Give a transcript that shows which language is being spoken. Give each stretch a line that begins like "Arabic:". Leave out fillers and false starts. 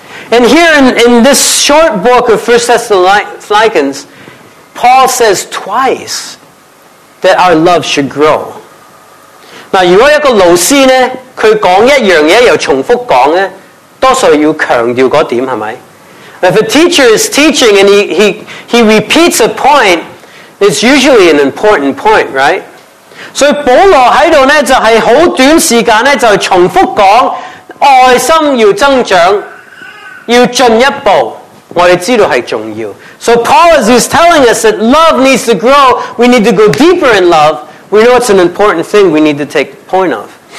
English: And here in this short book of 1 Thessalonians, Paul says twice that our love should grow.
Chinese: 如果一个老师呢,他讲一样,又重复讲,多数要强调那点,是吧?
English: If a teacher is teaching and he repeats a point, it's usually an important point, right?
Chinese: 所以保罗在这里呢,就是很短时间呢,就重复讲,爱心要增长,要进一步。我们知道是重要.
English: So Paul, as he's telling us that love needs to grow, we need to go deeper in love, we know it's an important thing we need to take point of.